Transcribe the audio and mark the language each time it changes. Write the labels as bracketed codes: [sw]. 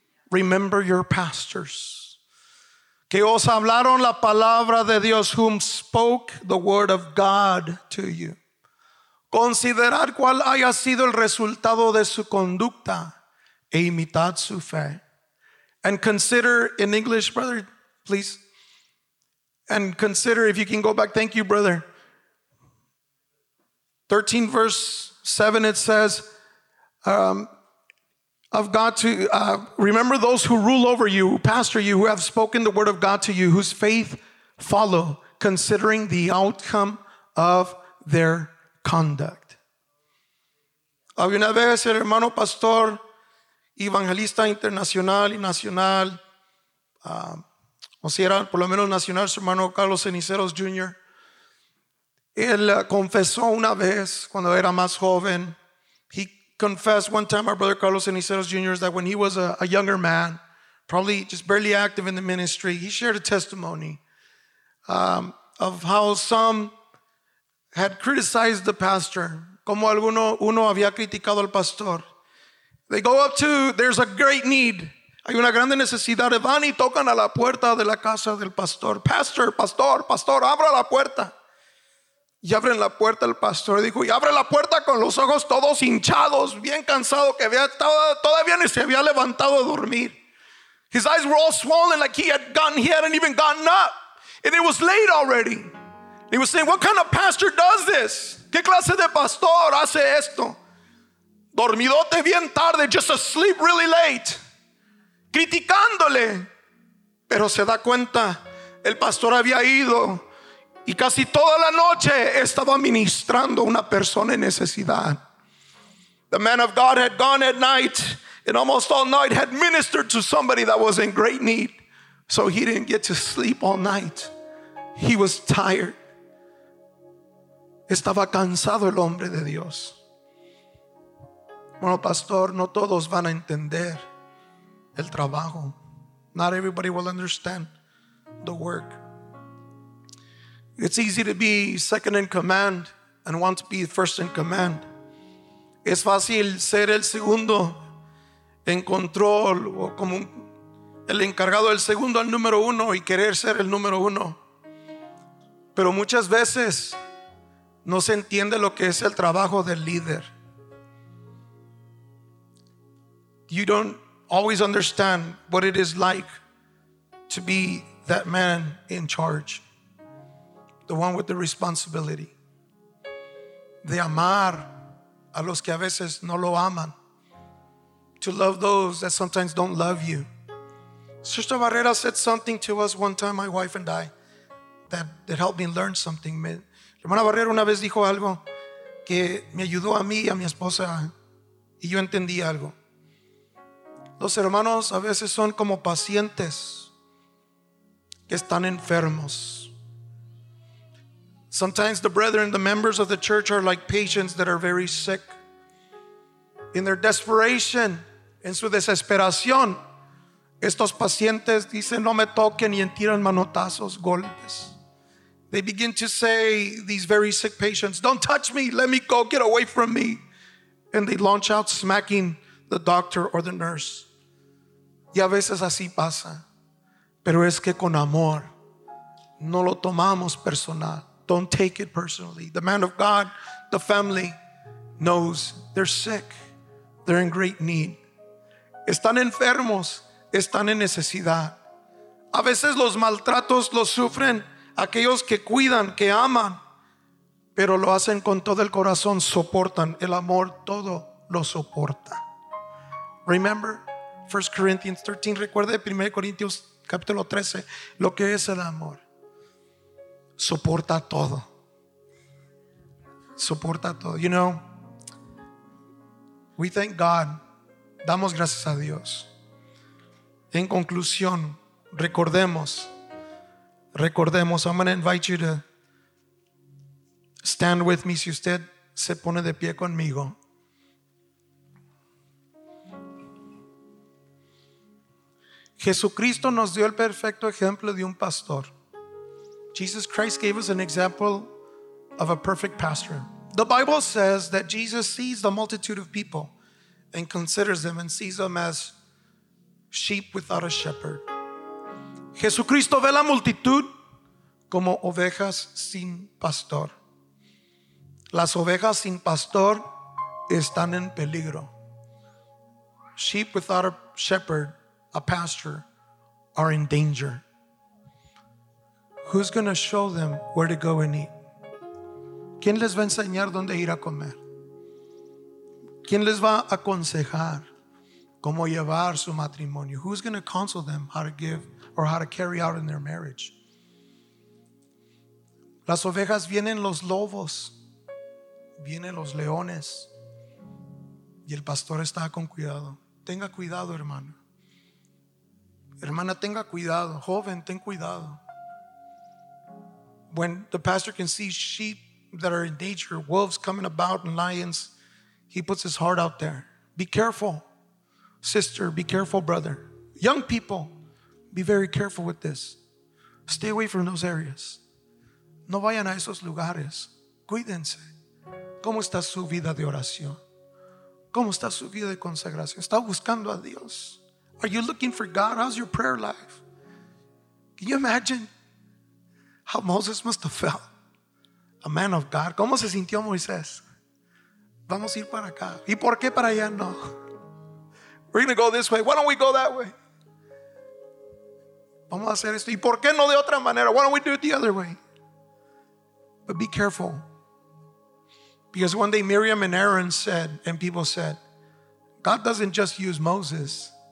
[en] Remember your pastors. [es] Que os hablaron la palabra de Dios, [en] whom spoke the word of God to you. [es] Considerad cuál haya sido el resultado de su conducta e imitad su fe. [en] And consider, in English, brother, please. And consider, if you can go back, thank you, brother. 13 verse 7, it says, of God to remember those who rule over you, pastor you, who have spoken the word of God to you, whose faith follow, considering the outcome of their conduct. [es] Alguna vez el hermano pastor, evangelista internacional y nacional, o si era por lo menos nacional, su hermano Carlos Ceniceros Jr., él confesó una vez cuando era más joven. [en] He confessed one time, our brother Carlos Ceniceros Jr., that when he was a younger man, probably just barely active in the ministry, he shared a testimony of how some had criticized the pastor. [es] Como alguno uno había criticado al pastor. [en] They go up to, there's a great need. [es] Hay una grande necesidad. Van y tocan a la puerta de la casa del pastor. Pastor, pastor, pastor, abra la puerta. Y abren la puerta el pastor. Dijo, y abre la puerta con los ojos todos hinchados, bien cansado, que había estado, todavía ni se había levantado a dormir. [en] His eyes were all swollen, like he hadn't even gotten up. And it was late already. He was saying, what kind of pastor does this? [es] ¿Qué clase de pastor hace esto? Dormidote bien tarde, [en] just asleep really late. [es] Criticándole. Pero se da cuenta, el pastor había ido. Y casi toda la noche estaba ministrando una persona en necesidad. [en] The man of God had gone at night and almost all night had ministered to somebody that was in great need. So he didn't get to sleep all night. He was tired. [es] Estaba cansado el hombre de Dios. Bueno, pastor, no todos van a entender el trabajo. [en] Not everybody will understand the work. It's easy to be second in command and want to be first in command. [es] Es fácil ser el segundo en control o como el encargado, el segundo al número uno y querer ser el número uno. Pero muchas veces no se entiende lo que es el trabajo del líder. [en] You don't always understand what it is like to be that man in charge. The one with the responsibility. [es] De amar a los que a veces no lo aman. [en] To love those that sometimes don't love you. Sister Barrera said something to us one time, my wife and I, that helped me learn something. [es] La hermana Barrera una vez dijo algo que me ayudó a mí y a mi esposa y yo entendí algo. Los hermanos a veces son como pacientes que están enfermos. [en] Sometimes the brethren, the members of the church are like patients that are very sick. In their desperation, [es] en su desesperación, estos pacientes dicen no me toquen y tiran manotazos, golpes. [en] They begin to say, these very sick patients, don't touch me, let me go, get away from me. And they launch out smacking the doctor or the nurse. [es] Y a veces así pasa. Pero es que con amor, no lo tomamos personal. [en] Don't take it personally. The man of God, the family, knows they're sick. They're in great need. [es] Están enfermos, están en necesidad. A veces los maltratos los sufren aquellos que cuidan, que aman, pero lo hacen con todo el corazón, soportan. El amor todo lo soporta. [en] Remember 1 Corinthians 13. [es] Recuerde 1 Corintios capítulo 13. Lo que es el amor. Soporta todo. Soporta todo. [en] You know, we thank God. [es] Damos gracias a Dios. En conclusión, recordemos. Recordemos, [en] I'm going to invite you to stand with me. [es] Si usted se pone de pie conmigo. Jesucristo nos dio el perfecto ejemplo de un pastor. [en] Jesus Christ gave us an example of a perfect pastor. The Bible says that Jesus sees the multitude of people and considers them and sees them as sheep without a shepherd. [es] Jesucristo ve la multitud como ovejas sin pastor. Las ovejas sin pastor están en peligro. [en] Sheep without a shepherd, a pastor, are in danger. Who's going to show them where to go and eat? [es] ¿Quién les va a enseñar dónde ir a comer? ¿Quién les va a aconsejar cómo llevar su matrimonio? [en] Who's going to counsel them how to give or how to carry out in their marriage? [es] Las ovejas vienen los lobos, vienen los leones, y el pastor está con cuidado. Tenga cuidado, hermano. Hermana, tenga cuidado. Joven, ten cuidado. [en] When the pastor can see sheep that are in danger, wolves coming about and lions, he puts his heart out there. Be careful, sister. Be careful, brother. Young people, be very careful with this. Stay away from those areas. [es] No vayan a esos lugares. Cuídense. ¿Cómo está su vida de oración? ¿Cómo está su vida de consagración? ¿Está buscando a Dios? [en] Are you looking for God? How's your prayer life? Can you imagine how Moses must have felt? A man of God. [es] ¿Cómo se sintió Moisés? Vamos a ir para acá. ¿Y por qué para allá no? [en] We're going to go this way. Why don't we go that way? [es] Vamos a hacer esto. ¿Y por qué no de otra manera? [en] Why don't we do it the other way? But be careful. Because one day Miriam and Aaron said, and people said, God doesn't just use Moses.